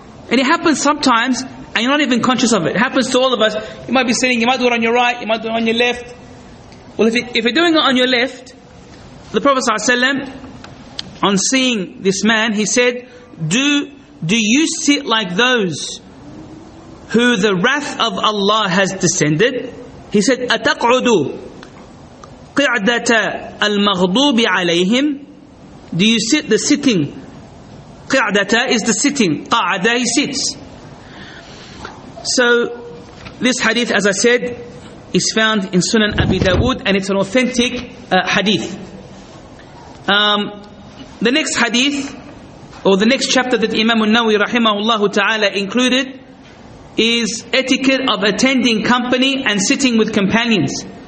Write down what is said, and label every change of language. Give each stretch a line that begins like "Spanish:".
English: And it happens sometimes and you're not even conscious of it. It happens to all of us. You might be sitting, you might do it on your right, you might do it on your left. Well, if you're doing it on your left, the Prophet ﷺ, on seeing this man, he said, Do you sit like those who the wrath of Allah has descended? He said,
Arabic: أَتَقْعُدُوا قِعْدَةَ الْمَغْضُوبِ عَلَيْهِمْ.
English: Do you sit the sitting? قِعْدَةَ is the sitting. قَعْدَةَ, he sits. So, this hadith, as I said, is found in Sunan Abi Dawood, and it's an authentic hadith. The next hadith, or the next chapter that Imam al-Nawawi rahimahullah ta'ala included, is etiquette of attending company and sitting with companions.